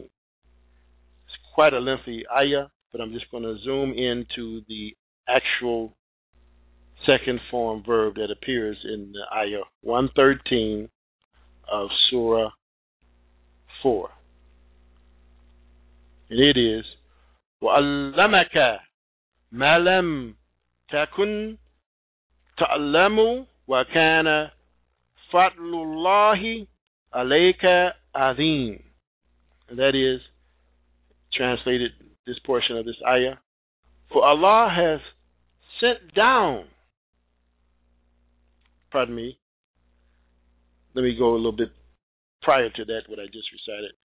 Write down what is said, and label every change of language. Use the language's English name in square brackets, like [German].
[English] It's quite a lengthy ayah, but I'm just going to zoom into the actual second form verb that appears in the ayah 113 of Surah 4. And it is, [Arabic] وَعَلَّمَكَ مَا لَمْ تَكُنْ تَعْلَمُ وَكَانَ فَضْلُ اللَّهِ عَلَيْكَ عَظِيمٌ. [English] And that is translated, this portion of this ayah, for Allah has sent down, pardon me, let me go a little bit prior to that, what I just recited.